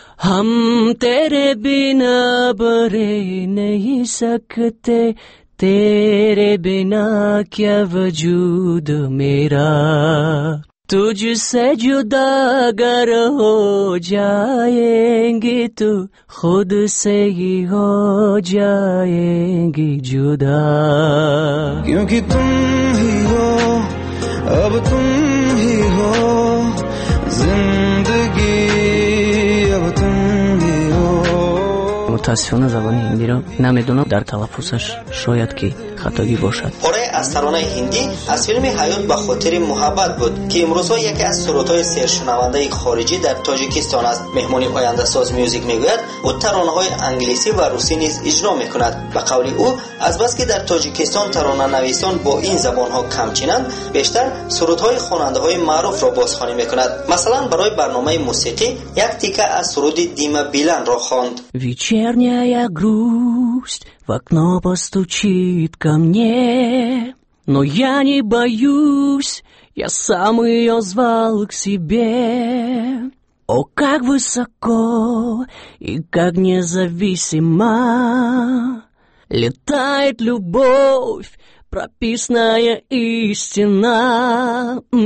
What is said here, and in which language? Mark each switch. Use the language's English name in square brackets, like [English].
[Hindi] हम तेरे बिना बरे नहीं सकते तेरे बिना क्या वजूद मेरा तुझसे जुदा अगर हो जाएंगे तो खुद से ही हो जाएंगी जुदा क्योंकि तुम ही हो अब तुम ही हो जिंदगी [Persian] متاسفانه زبان هندی را نمیدونم در تلفظش شاید که خطایی باشد. آره از ترانه هندی از فیلم حیات به خاطر محبت بود که امروز ها یکی از سرودهای سرشنونده خارجی در تاجیکستان است. مهمانی آینده ساز میوزیک میگوید او ترانه های انگلیسی و روسی نیز اجرا میکند. به قول او از بس که در تاجیکستان ترانه نویسان با این زبان ها کمچینند بیشتر سرودهای خواننده های معروف را بازخوانی میکند. مثلا برای برنامه موسیقی یک تیکه از سرود دیما بیلان را خواند. [Russian] Вечерняя грусть в окно постучит ко мне, но я не боюсь, я сам ее звал к себе. О, как высоко и как независимо летает любовь, прописная истина.